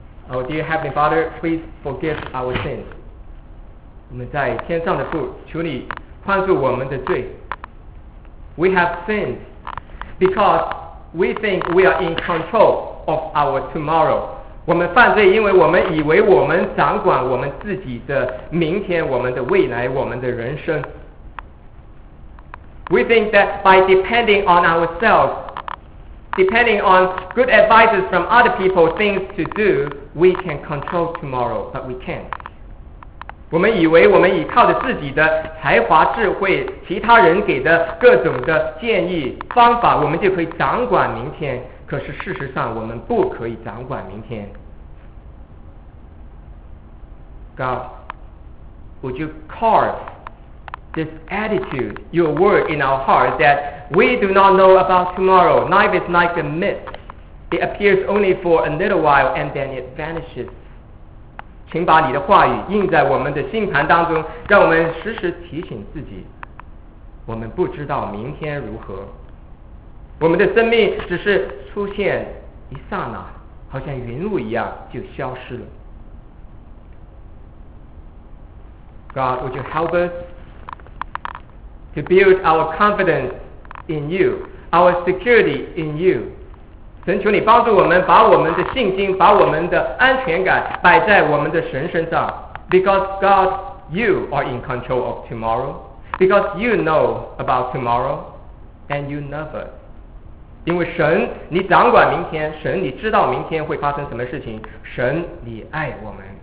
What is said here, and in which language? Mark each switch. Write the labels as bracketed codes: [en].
[en] Oh, dear Heavenly Father, please forgive our sins. [zh] 我们在天上的父，求你宽恕我们的罪。 [en] We have sinned because we think we are in control of our tomorrow. [zh] 我们犯罪，因为我们以为我们掌管我们自己的明天，我们的未来，我们的人生。 [en] We think that by depending on ourselves, depending on good advices from other people, things to do, we can control tomorrow, but we can't. [zh] 我们以为我们依靠着自己的才华、智慧、其他人给的各种的建议、方法，我们就可以掌管明天。可是事实上，我们不可以掌管明天。 [en] God, would you carve? This attitude, your word in our heart that we do not know about tomorrow, life is like a mist It appears only for a little while and then it vanishes. [zh] 请把你的话语印在我们的心盘当中，让我们时时提醒自己，我们不知道明天如何，我们的生命只是出现一刹那，好像云雾一样就消失了。 [en] God, would you help us to build our confidence in you, our security in you? [zh] 神求你帮助我们把我们的信心，把我们的安全感摆在我们的神身上。 [en] Because God, you are in control of tomorrow. Because you know about tomorrow, and you never. [zh] 因为神，你掌管明天，神，你知道明天会发生什么事情，神，你爱我们。